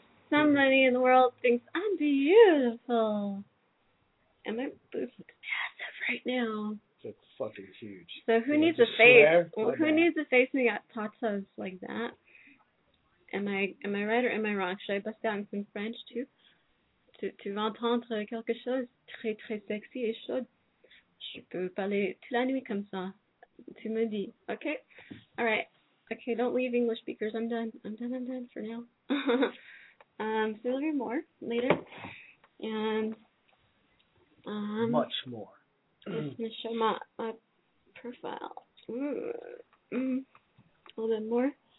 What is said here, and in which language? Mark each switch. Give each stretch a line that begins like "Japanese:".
English: Somebody in the world thinks I'm beautiful. And my boobs look massive right now. It's fucking huge. So who needs a face? Who needs a face when you got tatas like that? Am I right or am I wrong? Should I bust out in some French too?
French: Tu veux entendre quelque chose très très sexy et chaud? Je peux parler toute la nuit comme ça. Tu me dis. Okay?
English: Alright. Okay, don't leave English speakers. I'm done for now. So you'll hear more later. And much more. I'm going to show my profile. A little bit more.